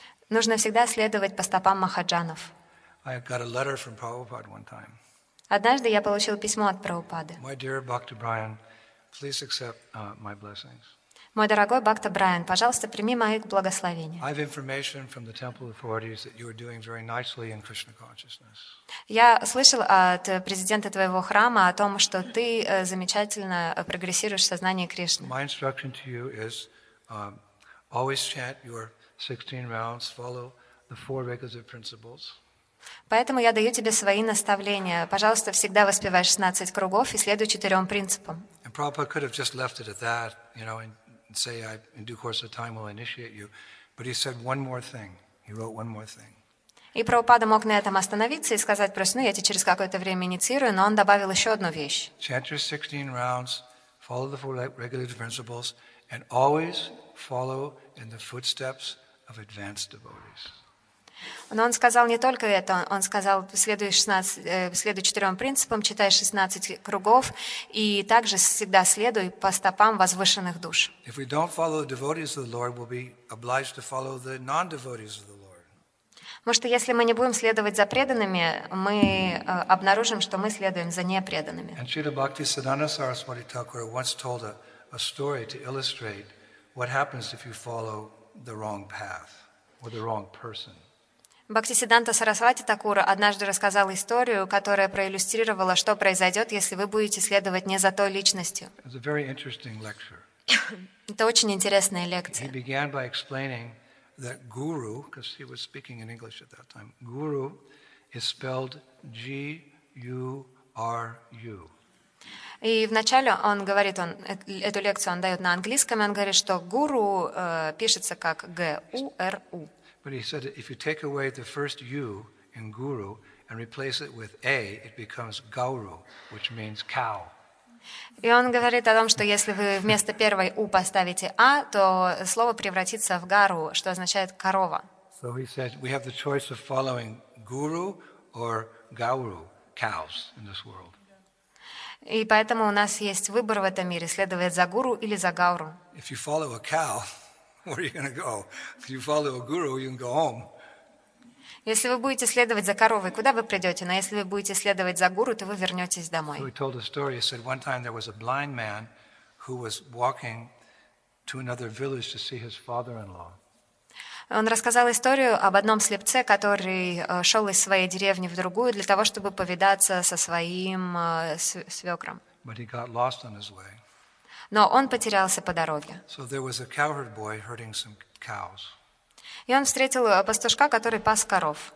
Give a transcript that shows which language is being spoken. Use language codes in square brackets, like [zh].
[ru] Нужно всегда следовать по стопам махаджанов. [en] I got a letter from Prabhupada one time. [ru] Однажды я получил письмо от Прабхупады. [en] My dear Bhakta Brian, please accept my blessings. [ru] Мой дорогой Бхакта Брайан, пожалуйста, прими мои благословения. [en] I have information from the temple authorities that you are doing very nicely in Krishna consciousness. [ru] Я слышал от президента твоего храма о том, что ты замечательно прогрессируешь в сознании Кришны. [en] My instruction to you is always chant your 16 rounds, follow the four requisite principles. [ru] Поэтому я даю тебе свои наставления. Пожалуйста, всегда воспевай 16 кругов и следуй 4 принципам. [en] And Prabhupada could have just left it at that, you know, and say, I, in due course of time, will initiate you. But he said one more thing. He wrote one more thing. [ru] И Прабхупада мог на этом остановиться и сказать просто, ну, я тебя через какое-то время инициирую, но он добавил еще одну вещь. [en] Chant your 16 rounds, follow the four regulative principles, and always follow in the footsteps of advanced devotees. [ru] Но он сказал не только это, он сказал, следуй 4 принципам, читай 16 кругов и также всегда следуй по стопам возвышенных душ. [en] If we don't follow the devotees of the Lord, we'll be obliged to follow the non-devotees of the Lord. [ru] Потому что если мы не будем следовать за преданными, мы обнаружим, что мы следуем за непреданными. [en] And Śrīla Bhakti Siddhānta Sarasvati Thakura once told a story to illustrate What happens if you follow the wrong path or the wrong person? [ru] Бхактисиддханта Сарасвати Такур однажды рассказал историю, которая проиллюстрировала, что произойдет, если вы будете следовать не за той личностью. [en] It's a very interesting lecture. [ru] Это очень интересная лекция. [en] He began by explaining that guru, because he was speaking in English at that time, guru is spelled G-U-R-U. [ru] И вначале он говорит, он эту лекцию он дает на английском, и он говорит, что гуру пишется как G-U-R-U. [en] But he said, if you take away the first U in guru and replace it with A, it becomes gauru, which means cow. [ru] И он говорит о том, что если вы вместо первой U поставите A, то слово превратится в гару, что означает корова. [en] So he said, we have the choice of following guru or gauru, cows in this world. [ru] И поэтому у нас есть выбор в этом мире, следовать за гуру или за гауру. [en] If you follow a cow, where are you going to go? If you follow a guru, you can go home. [ru] Если вы будете следовать за коровой, куда вы придете? Но если вы будете следовать за гуру, то вы вернетесь домой. [en] So he told a story. He said, one time there was a blind man who was walking to another village to see his father-in-law. [ru] Он рассказал историю об одном слепце, который шел из своей деревни в другую для того, чтобы повидаться со своим свекром. [en] But he got lost on his way. [ru] Но он потерялся по дороге. [en] So there was a cowherd boy herding some cows. [ru] И он встретил пастушка, который пас коров.